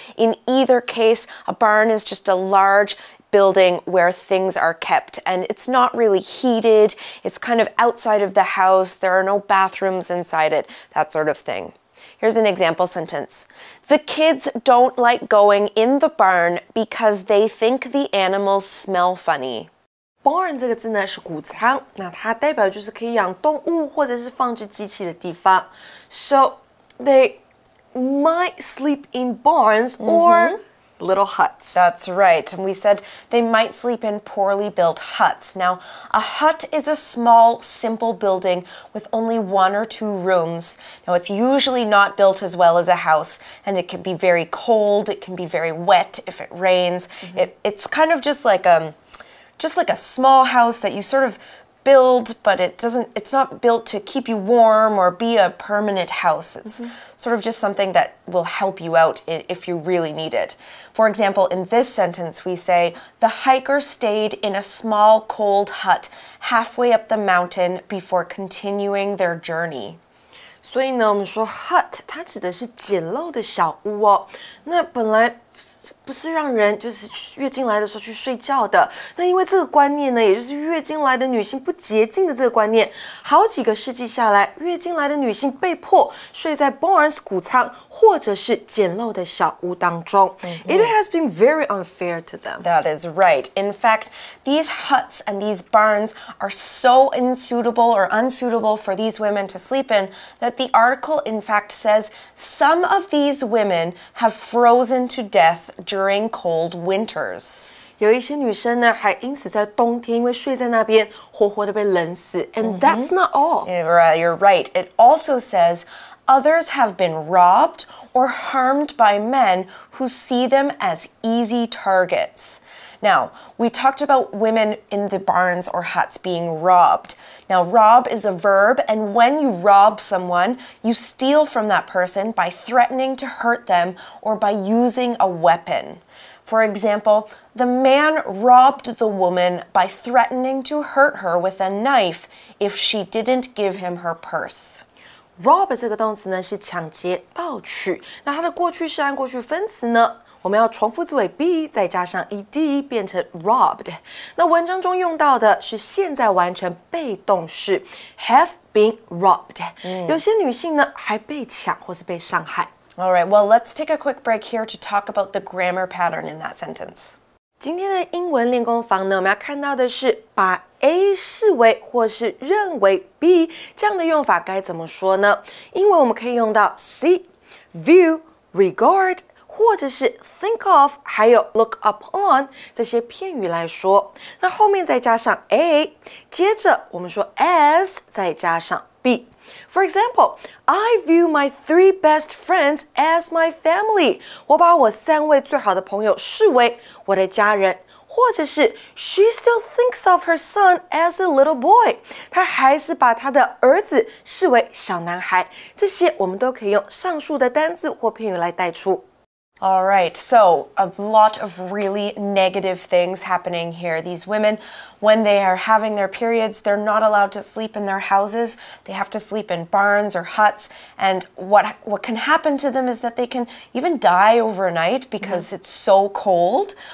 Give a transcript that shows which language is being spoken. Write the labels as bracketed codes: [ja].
[en] In either case, a barn is just a large,building where things are kept and it's not really heated, it's kind of outside of the house, there are no bathrooms inside it, that sort of thing. Here's an example sentence. The kids don't like going in the barn because they think the animals smell funny. [zh] Barn 这个字呢是谷仓，那它代表就是可以养动物或者是放置机器的地方。 [en] So they might sleep in barns or... Little huts. That's right. And we said they might sleep in poorly built huts. Now, a hut is a small, simple building with only one or two rooms. Now, it's usually not built as well as a house, and it can be very cold. It can be very wet if it rains. It's kind of just like a small house that you sort of build, but it's not built to keep you warm or be a permanent house. It's sort of just something that will help you out if you really need it. For example, in this sentence, we say, the hiker stayed in a small cold hut halfway up the mountain before continuing their journey. [zh] 所以呢，我们说 hut 它指的是简陋的小屋哦。那本来不是让人就是月经来的时候去睡觉的。那因为这个观念呢，也就是月经来的女性不洁净的这个观念，好几个世纪下来，月经来的女性被迫睡在 barns 谷仓或者是简陋的小屋当中。 [en] It has been very unfair to them. That is right. In fact, these huts and these barns are so unsuitable for these women to sleep in. That the article in fact says some of these women have frozen to death during cold winters. [zh] 有一些女生呢还因此在冬天因为睡在那边活活的被冷死 [en] and that's not all. You're right. It also says others have been robbed or harmed by men who see them as easy targets. Now, we talked about women in the barns or huts being robbed. Now, rob is a verb, and when you rob someone, you steal from that person by threatening to hurt them or by using a weapon. For example, the man robbed the woman by threatening to hurt her with a knife if she didn't give him her purse. [zh] Rob 这个动词呢是抢劫、盗取。那它的过去式和过去分词呢？我们要重复字尾 be 再加上 ed 变成 robbed。那文章中用到的是现在完成被动式 have been robbed。有些女性呢还被抢或是被伤害。 [en] All right, well, let's take a quick break here to talk about the grammar pattern in that sentence. [zh] 今天的英文练功房呢，我们要看到的是把。 A 视为或是认为 B 这样的用法该怎么说呢？因为我们可以用到 see, view, regard 或者是 think of 还有 look upon 这些片语来说。那后面再加上 A, 接着我们说 as 再加上 B。 [en] For example, I view my three best friends as my family. [zh] 我把我三位最好的朋友视为我的家人。或者是 [en] she still thinks of her son as a little boy. [zh] 她还是把她的儿子视为小男孩。这些我们都可以用上述的单字或片语来带出。 [en] All right, so a lot of really negative things happening here. These women, when they are having their periods, they're not allowed to sleep in their houses. They have to sleep in barns or huts. And what can happen to them is that they can even die overnight because it's so cold.